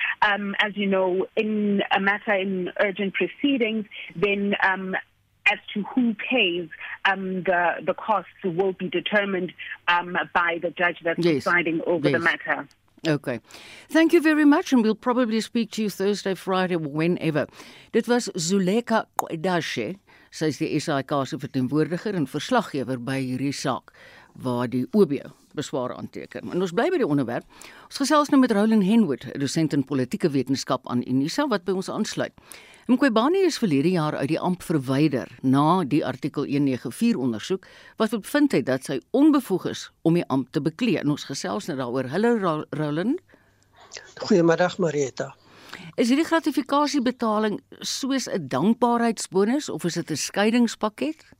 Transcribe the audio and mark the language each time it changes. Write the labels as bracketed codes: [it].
[en] As you know, in a matter in urgent proceedings, then as to who pays the costs will be determined by the judge that's deciding over the matter. Okay. Thank you very much, and we'll probably speak to you Thursday, Friday, whenever. [af] Dit was Zuleka Kwedashe. Sy is die SAIK se verteenwoordiger en verslaggewer by hierdie saak waar die OBO besware aanteken. En ons bly by die onderwerp. Ons gesels nou met Roland Henwood, dosent in politieke wetenskap aan UNISA, wat by ons aansluit. Mkhwebane is verlede jaar uit die amp verwyder na die artikel 194 ondersoek wat bevind het dat sy onbevoeg is om die amp te beklee. En ons gesels nou daaroor. Hallo Roland. Goeiemiddag Marieta. Is hierdie gratifikasiebetaling soos 'n dankbaarheidsbonus of is dit 'n skeidingspakket?